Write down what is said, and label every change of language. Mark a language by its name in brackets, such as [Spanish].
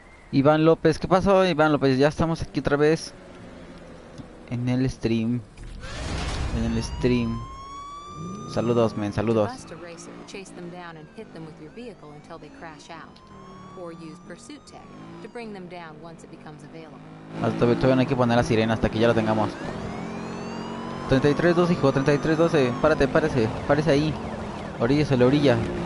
[Spanish] Iván López, ¿qué pasó, Iván López? Ya estamos aquí otra vez en el stream. En el stream. Saludos, men, saludos. [English] To racer, chase them down and hit them with your vehicle until they crash out, or use pursuit tech to bring them down once it becomes available. [Spanish] Todavía no hay que poner la sirena hasta que ya lo tengamos. 33-12, hijo, 33-12. Párate, párese, párese ahí. Orilla, se la orilla.